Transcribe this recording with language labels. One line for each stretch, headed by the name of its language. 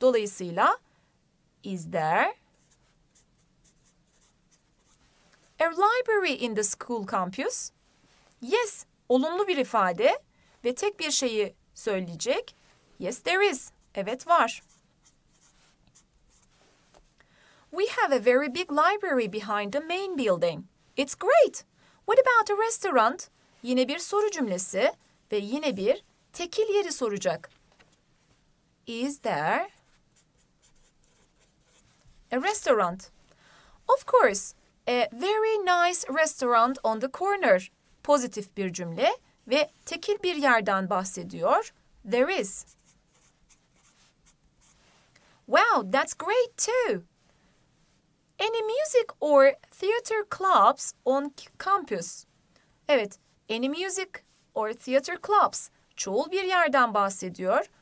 Turkish: Dolayısıyla,
English: is there a library in the school campus? Yes,
Turkish: olumlu bir ifade ve tek bir şeyi söyleyecek.
English: Yes, there is.
Turkish: Evet, var.
English: We have a very big library behind the main building. It's great. What about a restaurant?
Turkish: Yine bir soru cümlesi ve yine bir tekil yeri soracak.
English: Is there a restaurant? Of course, a very nice restaurant on the corner.
Turkish: Pozitif bir cümle ve tekil bir yerden bahsediyor.
English: There is. Wow, that's great too. Any music or theater clubs on campus?
Turkish: Evet,
English: any music or theater clubs
Turkish: çoğul bir yerden bahsediyor.